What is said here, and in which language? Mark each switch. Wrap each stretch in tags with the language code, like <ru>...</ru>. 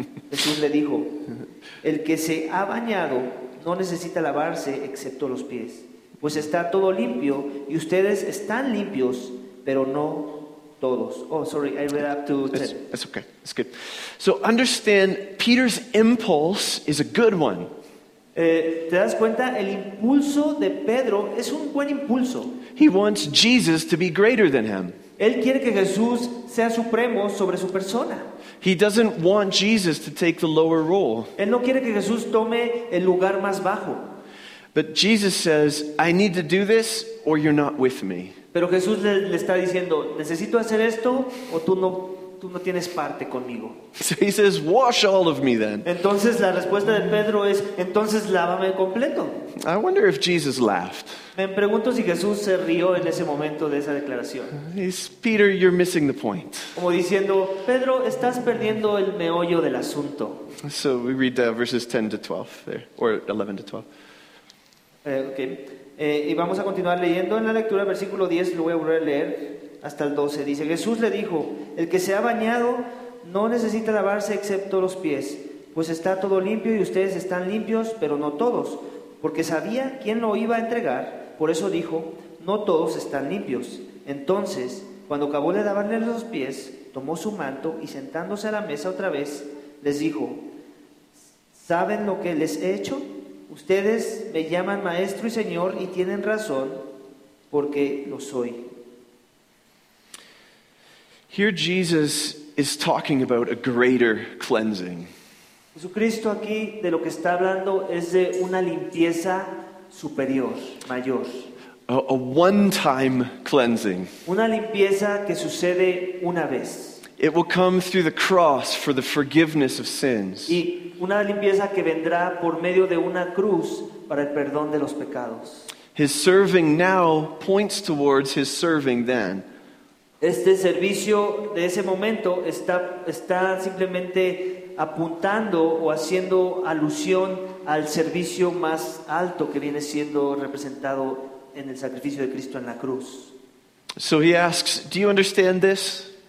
<es>Jesús le dijo, el que se ha bañado no necesita lavarse excepto los pies, pues está todo limpio y ustedes están limpios, pero no todos.</es> <en>Oh, sorry, I read up to 10. That's okay, that's good. So understand, Peter's impulse is a good one.</en> <es>¿Te das cuenta? El impulso de Pedro es un buen impulso.</es> <en>He wants Jesus to be greater than him.</en> <es>Él quiere que Jesús sea supremo sobre su persona.</es> <en>He doesn't want Jesus to take the lower role.</en> <es>Él no quiere que Jesús tome el lugar más bajo.</es> <en>But Jesus says, I need to do this or you're not with me.</en> <es>Pero Jesús le está diciendo, necesito hacer esto o tú no tienes parte conmigo.</es> <en>So he says, wash all of me then.</en> <es>Entonces la respuesta de Pedro es, entonces lávame completo.</es> <en>I wonder if Jesus laughed.</en> <es>Me pregunto si Jesús se rió en ese momento de esa declaración.</es> <en>He's, Peter, you're missing the point.</en> <es>Como diciendo, Pedro, estás perdiendo el meollo del asunto.</es> <en>So we read verses 10 to 12 there, or 11 to 12.</en> <es>Y vamos a continuar leyendo en la lectura, versículo 10, lo voy a volver a leer. Hasta el 12 dice, Jesús le dijo, el que se ha bañado no necesita lavarse excepto los pies, pues está todo limpio y ustedes están limpios, pero no todos, porque sabía quién lo iba a entregar, por eso dijo, no todos están limpios. Entonces, cuando acabó de lavarle los pies, tomó su manto y sentándose a la mesa otra vez, les dijo, ¿saben lo que les he hecho? Ustedes me llaman maestro y señor y tienen razón, porque lo soy.</es> <en>Here Jesus is talking about a greater cleansing.</en> <es>Jesucristo aquí de lo que está hablando es de una limpieza superior, mayor.</es> <en>A one-time cleansing.</en> <es>Una limpieza que sucede una vez.</es> <en>It will come through the cross for the forgiveness of sins.</en> <es>Y una limpieza que vendrá por medio de una cruz para el perdón de los pecados.</es> <en>His serving now points towards his serving then.</en> <es>Este servicio de ese momento está simplemente apuntando o haciendo alusión al servicio más alto que viene siendo representado en el sacrificio de Cristo en la cruz.</es> <en>So he asks, "Do you understand this?"</en>